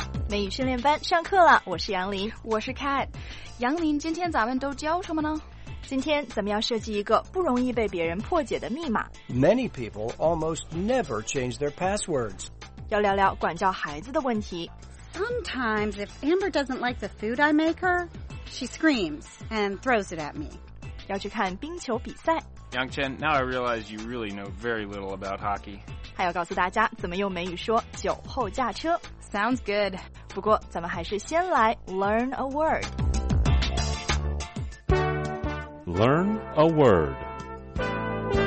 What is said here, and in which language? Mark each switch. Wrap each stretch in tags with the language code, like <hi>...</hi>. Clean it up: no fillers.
<zh>美语训练班上课了，我是杨林，我是 Cat。杨林，今天咱们都教什么呢？今天咱们要设计一个不容易被别人破解的密码。</zh> <en>Many people almost never change their passwords。</en> <zh>要聊聊管教孩子的问题。</zh> <en>Sometimes if Amber doesn't like the food I make her, she screams and throws it at me。</en> <zh>要去看冰球比赛。</zh> <en>Yang Chen, now I realize you really know very little about hockey。</en> <zh>还要告诉大家怎么用美语说酒后驾车。</zh> <en>Sounds good。</en> <zh>不过咱们还是先来</zh> <en>learn a word。 Learn a word。</en>